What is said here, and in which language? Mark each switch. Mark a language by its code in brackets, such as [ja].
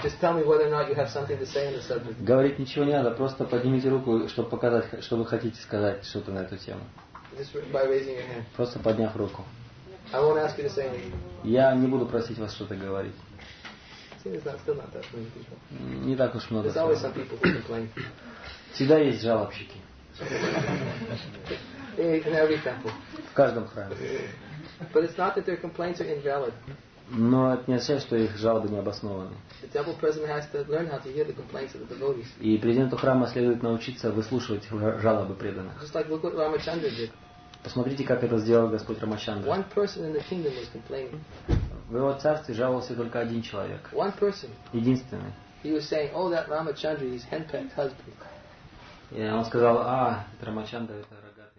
[en] Just tell me whether or not you have something to say on the subject. [ru] Говорить ничего не надо. Просто поднимите руку, чтобы показать, что вы хотите сказать что-то на эту тему. [en] Just by raising your hand. [ru] Просто подняв руку. [en] I won't ask you to say anything. [ru] Я не буду просить вас что-то говорить. Не так уж много. [en] There's always some people who complain. [ru] Всегда есть жалобщики. [en] In every temple. [ru] В каждом храме. [en] But it's not that their complaints are invalid. [ru] Но это не означает, что их жалобы не обоснованы. [en] The temple president has to learn how to hear the complaints of the devotees. [ru] И президенту храма следует научиться выслушивать жалобы преданных. [en] Just like look what Ramachandra did. [ru] Посмотрите, как это сделал Господь Рамачандра. [en] One person in the kingdom was complaining. [ru] В его царстве жаловался только один человек. [en] One person. [ru] Единственный. [en] He was saying, "Oh, that Ramachandra, his henpecked husband." [ru] И он сказал: "А, Рамачандра это..."